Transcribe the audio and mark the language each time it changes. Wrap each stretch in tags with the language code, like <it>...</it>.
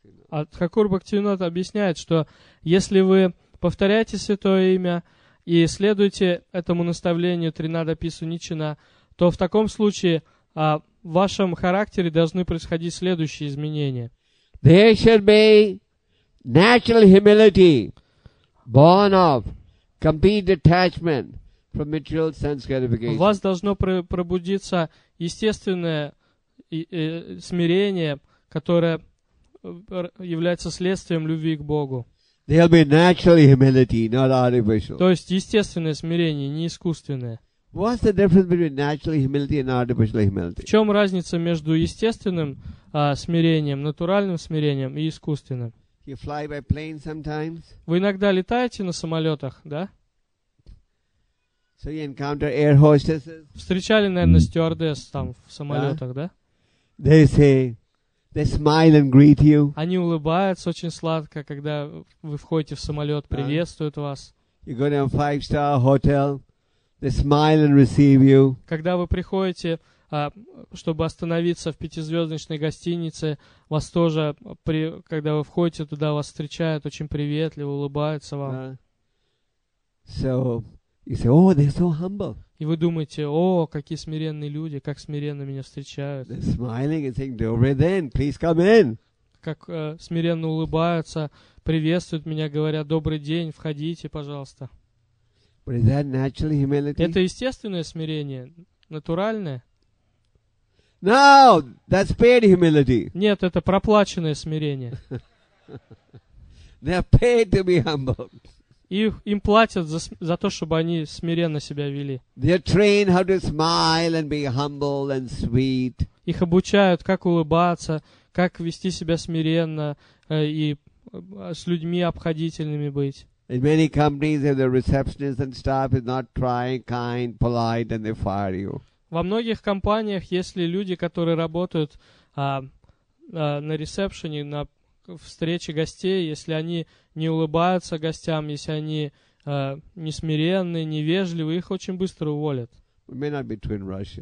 <ru>А Thakur Bhaktivinoda объясняет, что если вы повторяете святое имя и следуете этому наставлению Тринадапи Суничина, то в таком случае в вашем характере должны происходить следующие изменения.</ru> <en>There should be natural humility born of complete detachment from material sense gratification.</en> <ru>У вас должно пробудиться естественное смирение, которое является следствием любви к Богу.</ru> <en>There'll be natural humility, not artificial.</en> <ru>То есть естественное смирение, не искусственное.</ru> <en>What's the difference between natural humility and artificial humility?</en> <ru>В чем разница между естественным смирением, натуральным смирением и искусственным?</ru> <en>You fly by plane sometimes.</en> <ru>Вы иногда летаете на самолетах, да?</ru> <en>So you encounter air hostesses.</en> <ru>Встречали, наверное, стюардесс там в самолетах, да?</ru> <en>They say. They smile and greet you.</en> <ru>Они улыбаются очень сладко, когда вы входите в самолет, приветствуют вас.</ru> <en>You go to a five-star hotel, they smile and receive you.</en> <ru>Когда вы приходите, чтобы остановиться в пятизвездочной гостинице, вас тоже, когда вы входите туда, вас встречают очень приветливо, улыбаются вам.</ru> <en>So you say, oh, they're so humble.</en> <ru>И вы думаете, о, какие смиренные люди, как смиренно меня встречают.</ru> <en>They're smiling and saying,</en> <ru>"Добрый день,</ru> <en>please come in."</en> <ru>Как смиренно улыбаются, приветствуют меня, говорят, добрый день, входите, пожалуйста.</ru> <en>But is that natural humility?</en> <ru>Это естественное смирение, натуральное.</ru> <en>No, that's paid humility.</en> <ru>Нет, это проплаченное смирение.</ru> <en>They're paid to be humble.</en> <ru>И им платят за то, чтобы они смиренно себя вели.</ru> <en>They're trained how to smile and be humble and sweet.</en> <ru>Их обучают, как улыбаться, как вести себя смиренно и с людьми обходительными быть.</ru> <en>In many companies, if the receptionist and staff is not trying, kind, polite, then they fire you.</en> <ru>Во многих компаниях, если люди, которые работают на ресепшене, на встречи гостей, если они не улыбаются гостям, если они несмиренные, невежливые, их очень быстро уволят.</ru> <en>It may not be true in Russia.</en>